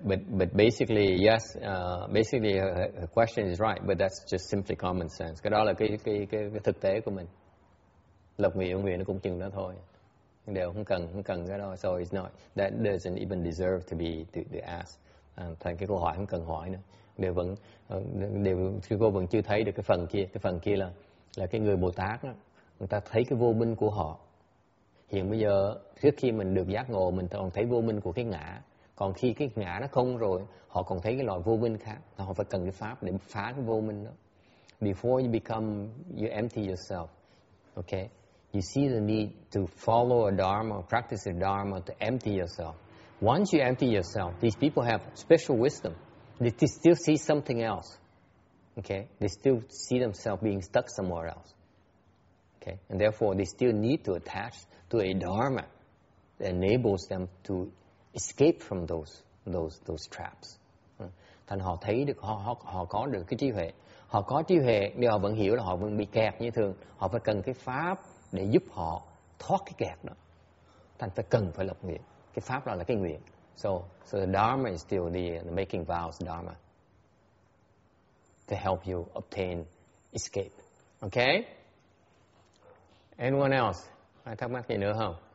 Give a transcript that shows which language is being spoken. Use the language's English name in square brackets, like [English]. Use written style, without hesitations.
[English] But basically yes, basically her question is right, but that's just simply common sense. [Vietnamese] Cái đó là cái thực tế của mình. Lập nguyện ông nguyện nó cũng chừng đó thôi. Đều không cần cái đó. [English] So it's not, that doesn't even deserve to be to ask. [Vietnamese] Thành cái câu hỏi không cần hỏi nữa. Đều sư cô vẫn chưa thấy được cái phần kia. Cái phần kia là cái người Bồ Tát đó, người ta thấy cái vô minh của họ. Hiện bây giờ trước khi mình được giác ngộ, mình còn thấy vô minh của cái ngã. Còn khi cái ngã nó không rồi, họ còn thấy cái loại vô minh khác. Họ phải cần cái pháp để phá cái vô minh đó. [English] Before you become, you empty yourself, okay, you see the need to follow a dharma, practice a dharma to empty yourself. Once you empty yourself, these people have special wisdom. They still see something else. Okay? They still see themselves being stuck somewhere else. Okay? And therefore, they still need to attach to a dharma that enables them to escape from those traps. [Vietnamese] Thành họ thấy được, họ có được cái trí huệ. Họ có trí huệ, nhưng họ vẫn hiểu là họ vẫn bị kẹt như thường. Họ phải cần cái pháp để giúp họ thoát cái kẹt đó. Thành phải cần phải lập nguyện. Cái pháp đó là cái nguyện. [English] So the dharma is still the making vows dharma to help you obtain escape. Okay? Anyone else? [Vietnamese] Ai thắc mắc gì nữa không?